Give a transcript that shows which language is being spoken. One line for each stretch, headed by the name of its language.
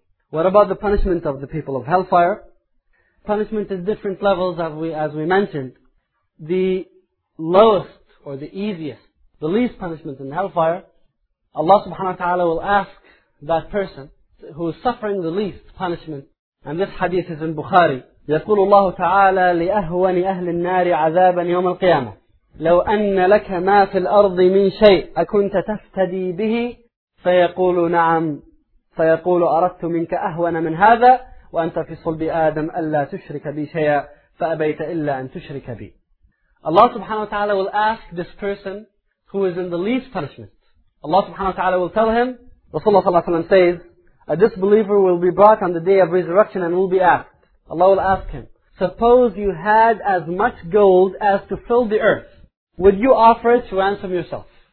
English: What about the punishment of the people of hellfire? Punishment at different levels, as we mentioned. The lowest or the easiest, the least punishment in hellfire, Allah subhanahu wa ta'ala will ask that person who is suffering the least punishment. And this hadith is in Bukhari.
Arabic: يقول الله تعالى لأهون أهل النار عذابا يوم القيامة لو أن لك ما في الأرض من شيء أكنت تفتدي به فيقول نعم فيقول أردت منك أهون من هذا وأنت في صلب آدم ألا تشرك بي شيئا فأبيت إلا أن تشرك بي.
English: Allah subhanahu wa ta'ala will ask this person who is in the least punishment. Allah subhanahu wa ta'ala will tell him, Rasulullah sallallahu alayhi wa sallam says, a disbeliever will be brought on the day of resurrection and will be asked. Allah will ask him, suppose you had as much gold as to fill the earth, would you offer it to ransom yourself?